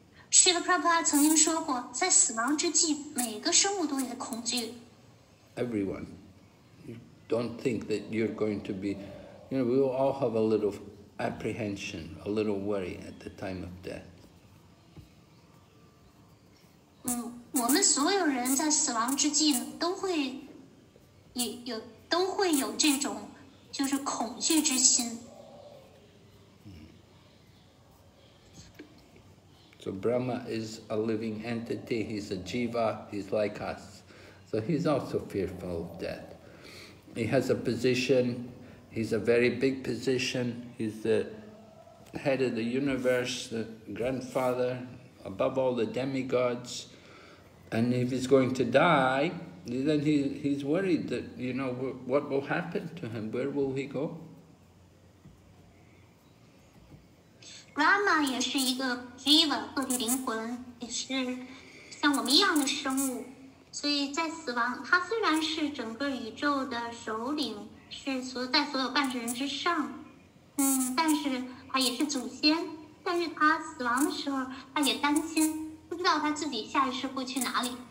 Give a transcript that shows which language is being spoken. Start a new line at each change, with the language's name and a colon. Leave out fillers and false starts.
Chinese: Srila Prabhupada 曾经说过，在死亡之际，每个生物都在恐惧。
English: Everyone. Don't think that you're going to be, you know, we will all have a little apprehension, a little worry at the time of death.
Chinese: 我们所有人在死亡之际都会有这种就是恐惧之心。
English: So Brahma is a living entity, he's a jiva, he's like us. So he's also fearful of death. He has a position, he's a very big position, he's the head of the universe, the grandfather, above all the demigods. And if he's going to die, then he's worried that, you know, what will happen to him, where will he go?
Chinese: Brahma 也是一个非灵魂，也是像我们一样的生物。所以在死亡，他虽然是整个宇宙的首领，是在所有半世人之上，但是他也是祖先。但是他死亡的时候，他也担心，不知道他自己下一世会去哪里。